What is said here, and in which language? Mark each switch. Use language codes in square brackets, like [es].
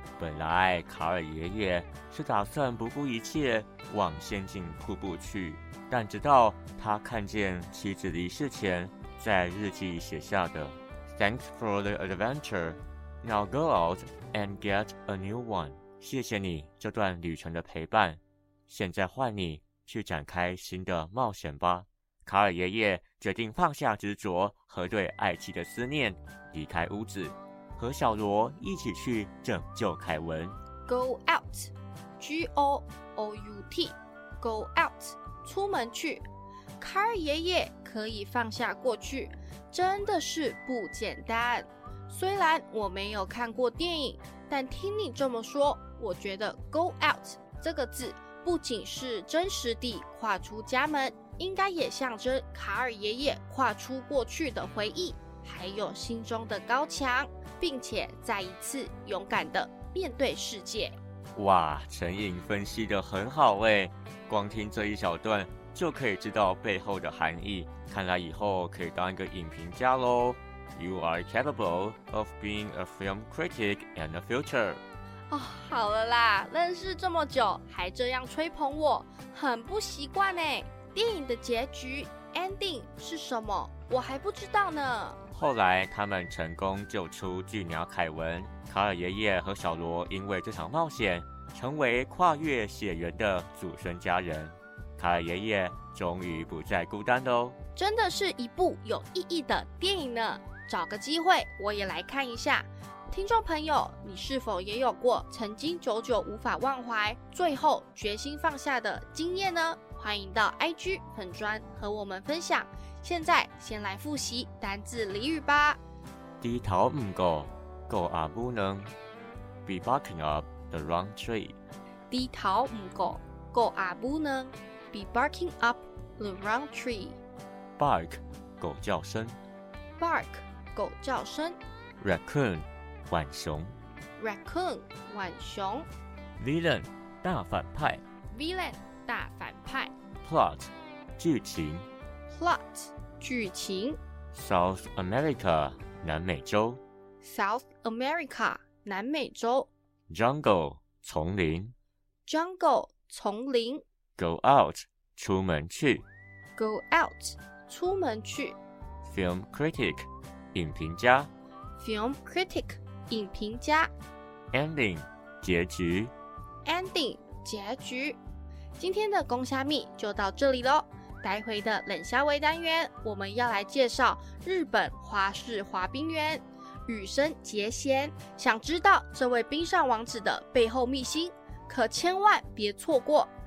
[zh] 本来卡尔爷爷是打算不顾一切往仙境瀑布去，但直到他看见妻子离世前在日记写下的 [en] Thanks for the adventure, now go out and get a new one, [zh] 谢谢你这段旅程的陪伴，现在换你去展开新的冒险吧。卡尔爷爷决定放下执着和对爱妻的思念，离开屋子，和小罗一起去拯救凯文。 [en] Go out, G-O-O-U-T, go out, 出门去。 [zh] 卡尔爷爷可以放下过去，真的是不简单。虽然我没有看过电影，但听你这么说，我觉得 go out 这个字不仅是真实地跨出家门，应该也象征卡尔爷爷跨出过去的回忆，还有心中的高墙，并且再一次勇敢地面对世界。哇，陈颖分析得很好耶，光听这一小段就可以知道背后的含义，看来以后可以当一个影评家咯。 [en] You are capable of being a film critic in the future. [zh] 哦，好了啦，认识这么久还这样吹捧我，很不习惯耶。电影的结局 ending 是什么我还不知道呢。后来他们成功救出巨鸟凯文，卡尔爷爷和小罗因为这场冒险成为跨越血缘的祖孙家人，卡尔爷爷终于不再孤单了。真的是一部有意义的电影呢，找个机会我也来看一下。听众朋友，你是否也有过曾经久久无法忘怀最后决心放下的经验呢？欢迎到 IG 粉专和我们分享。现在先来复习单字俚语吧。低头唔够够阿不能 [en] be barking up the wrong tree。 [zh] 低头唔够够阿不能 [en] be barking up the wrong tree。 [zh] bark 狗叫声 bark 狗叫声。 raccoon 浣熊 raccoon 浣熊。 villain 大反派 villain 大反派。 plot 剧情 Plot, 剧情。 [en] South America, 南美洲。 South America, 南美洲。 [zh] Jungle, 丛林。 Jungle, 丛林。 [en] Go out, 出门去。 Go out, 出门去。 Film critic, 影评家。 Film critic, 影评家。 [zh] Ending, 结局。 Ending, 结局。今天的公虾蜜就到这里咯。待会的冷笑微单元，我们要来介绍日本花式滑冰员羽生结弦。想知道这位冰上王子的背后秘辛，可千万别错过。